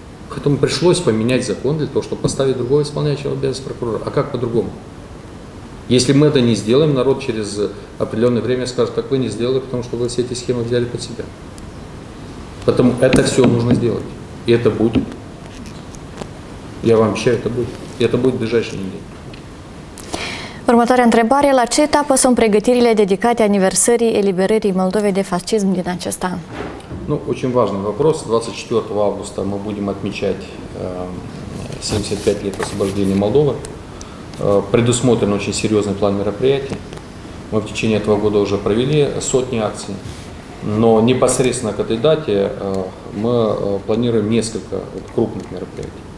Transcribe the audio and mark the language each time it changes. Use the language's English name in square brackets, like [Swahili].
[Russian] Поэтому пришлось поменять закон для того, чтобы поставить другого исполняющего обязанности прокурора. А как по-другому? Если мы это не сделаем, народ через определенное время скажет: так вы не сделали, потому что вы все эти схемы взяли под себя. Поэтому это все нужно сделать. И это будет. Я вам обещаю, это будет. И это будет в ближайшие недели. [Romanian] Următoarea întrebare: la ce etapă sunt pregătirile dedicate aniversării eliberării Moldovei de fascism din acest an? [Russian] Ну, очень важный вопрос. 24 августа мы будем отмечать 75 лет освобождения Молдовы. Предусмотрен очень серьезный план мероприятий. Мы в течение этого года уже провели сотни акций. Но непосредственно к этой дате мы планируем несколько крупных мероприятий.